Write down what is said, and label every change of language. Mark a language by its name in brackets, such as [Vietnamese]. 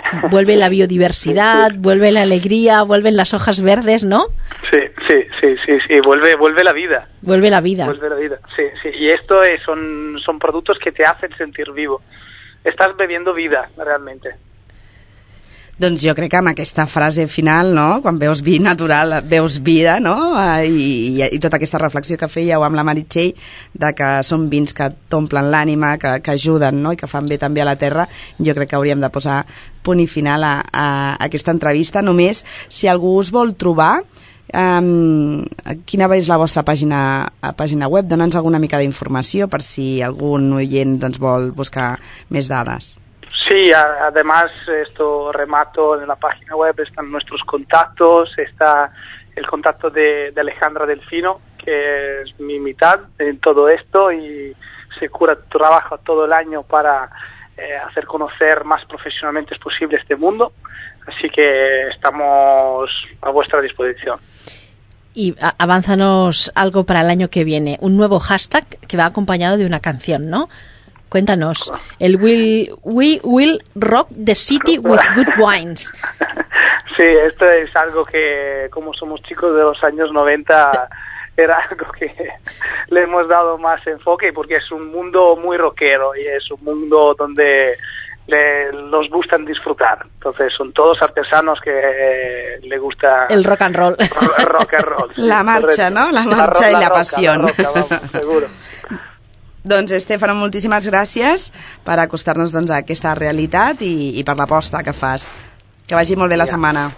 [Spanish] Vuelve la biodiversidad, vuelve la alegría, vuelven las hojas verdes, ¿no? Sí, vuelve la vida. Vuelve la vida. Vuelve la vida, sí. Y esto son productos que te hacen sentir vivo. Estás bebiendo vida, realmente. [Catalan] Doncs jo crec que amb aquesta frase final, no?, quan veus vi natural, veus vida, no?, i tota aquesta reflexió que fèieu amb la Meritxell, de que són vins que t'omplen l'ànima, que ajuden, no?, i que fan bé també a la terra, jo crec que hauríem de posar punt i final a aquesta entrevista. Només, si algú us vol trobar, quina és la vostra pàgina web? Dona'ns alguna mica d'informació per si algun oient doncs, vol buscar més dades. [Spanish] Sí, además esto remato en la página web, están nuestros contactos, está el contacto de Alejandra Delfino, que es mi mitad en todo esto y trabaja todo el año para hacer conocer más profesionalmente posible este mundo, así que estamos a vuestra disposición. Y avánzanos algo para el año que viene, un nuevo hashtag que va acompañado de una canción, ¿no? Cuéntanos, el [English] we will rock the city with good wines. [Spanish] Sí, esto es algo que, como somos chicos de los años 90, era algo que le hemos dado más enfoque porque es un mundo muy rockero y es un mundo donde nos gustan disfrutar. Entonces, son todos artesanos que le gusta el rock and roll. Rock and roll. La marcha, ¿no? La marcha y la pasión. La roca, vamos, seguro. [Catalan] Doncs, Estefano, moltíssimes gràcies per acostar-nos doncs, a aquesta realitat i per l'aposta que fas. Que vagi molt bé la setmana.